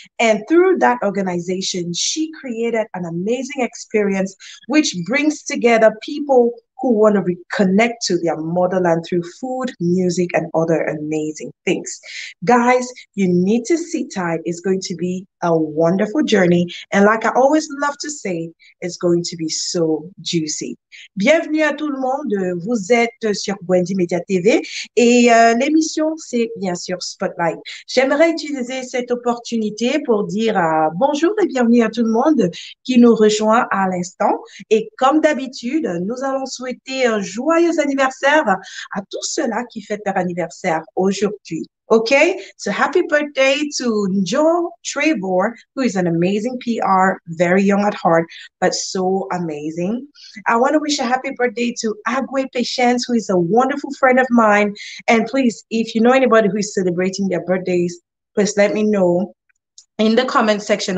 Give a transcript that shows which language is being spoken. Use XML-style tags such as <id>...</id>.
<en>And through that organization, she created an amazing experience which brings together people who want to reconnect to their motherland through food, music, and other amazing things. Guys, you need to sit tight. It's going to be a wonderful journey. And like I always love to say, it's going to be so juicy.</en> <fr>Bienvenue à tout le monde. Vous êtes sur Gwendy Media TV et l'émission, c'est bien sûr Spotlight. J'aimerais utiliser cette opportunité pour dire bonjour et bienvenue à tout le monde qui nous rejoint à l'instant. Et comme d'habitude, nous allons souhaiter un joyeux anniversaire à tous ceux-là qui fêtent leur anniversaire aujourd'hui.</fr> <en>Okay, so happy birthday to Joe Trevor, who is an amazing PR, very young at heart, but so amazing. I want to wish a happy birthday to Agwe Patience, who is a wonderful friend of mine. And please, if you know anybody who is celebrating their birthdays, please let me know in the comment section.</en>